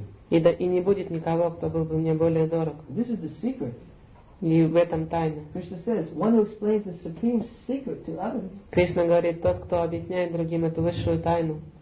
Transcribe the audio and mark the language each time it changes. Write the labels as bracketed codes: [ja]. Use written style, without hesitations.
[ru] И не будет никого, кто был бы мне более дорог. [en] This is the secret. [ru] И в этом тайна. [en] Krishna says, one who explains the supreme secret to others. [ru] Кришна говорит, тот, кто объясняет другим эту высшую тайну.